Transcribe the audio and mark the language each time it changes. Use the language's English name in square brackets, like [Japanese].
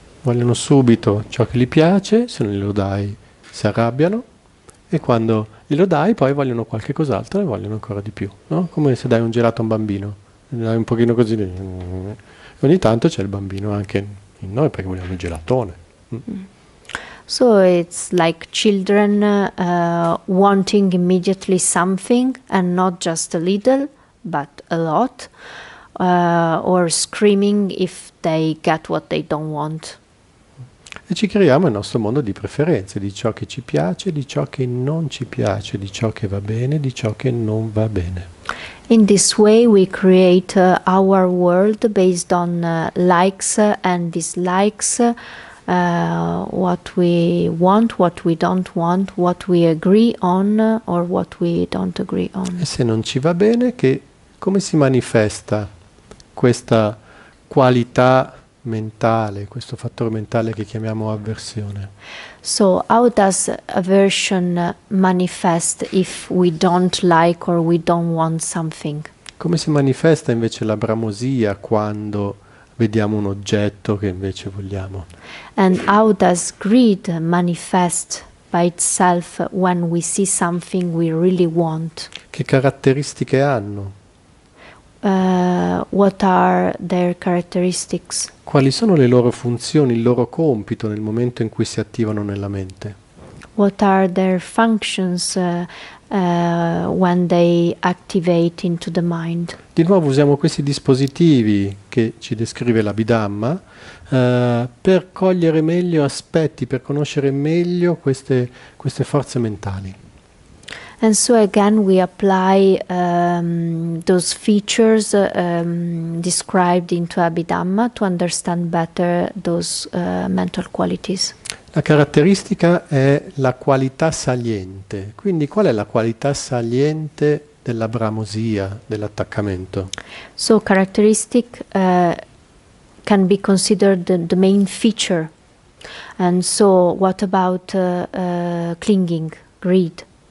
[Italian] Vogliono subito ciò che gli piace, se non glielo dai si arrabbiano, e quando glielo dai poi vogliono qualche cos'altro e vogliono ancora di più. No? Come se dai un gelato a un bambino. Dai un pochino così. Ogni tanto c'è il bambino anche... Noi perché vogliamo il gelatone. [English] So it's like children wanting immediately something and not just a little but a lot, or screaming if they get what they don't want. [Italian] E ci creiamo il nostro mondo di preferenze, di ciò che ci piace, di ciò che non ci piace, di ciò che va bene, di ciò che non va bene. [English] In this way we create our world based on likes and dislikes, what we want, what we don't want, what we agree on or what we don't agree on. [Italian] E se non ci va bene, che come si manifesta questa qualità mentale, questo fattore mentale che chiamiamo avversione? [English] So how does aversion manifest if we don't like or we don't want something? [Italian] Come si manifesta invece la bramosia quando vediamo un oggetto che invece vogliamo? [English] And how does greed manifest by itself when we see something we really want? [Italian] Che caratteristiche hanno? [English] What are their characteristics? [Italian] Quali sono le loro funzioni, il loro compito nel momento in cui si attivano nella mente? [English] What are their functions when they activate into the mind? [Italian] Di nuovo usiamo questi dispositivi che ci descrive l'Abhidhamma per cogliere meglio aspetti, per conoscere meglio queste forze mentali. [English] And so again we apply those features described into Abhidhamma to understand better those mental qualities. [Italian] La caratteristica è la qualità saliente. Quindi qual è la qualità saliente della bramosia, dell'attaccamento? [English] So characteristic can be considered the main feature. And so what about clinging, greed?